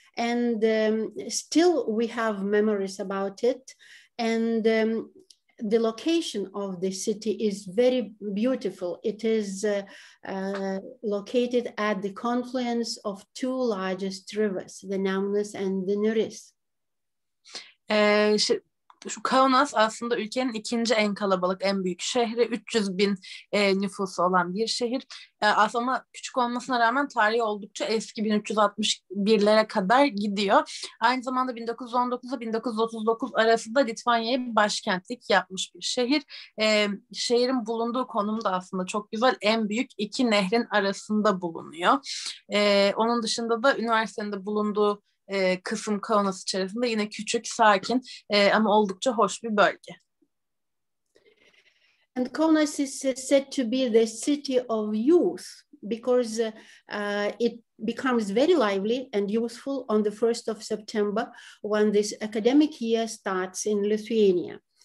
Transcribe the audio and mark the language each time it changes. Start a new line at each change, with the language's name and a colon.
English: And still we have memories about it. And the location of the city is very beautiful. It is located at the confluence of two largest rivers, the Nemunas and the Neris.
Turkish: Şu Kaunas aslında ülkenin ikinci en kalabalık, en büyük şehri. 300 bin nüfusu olan bir şehir. Aslında küçük olmasına rağmen tarihi oldukça eski, 1361'lere kadar gidiyor. Aynı zamanda 1919'a 1939 arasında Litvanya'ya başkentlik yapmış bir şehir. Şehrin bulunduğu konum da aslında çok güzel. En büyük iki nehrin arasında bulunuyor. Onun dışında da üniversitenin de bulunduğu kısım Kaunas içerisinde yine küçük, sakin ama oldukça hoş bir bölge.
English: And Kaunas is said to be the city of youth because it becomes very lively and youthful on the 1st of September when this academic year starts in Lithuania.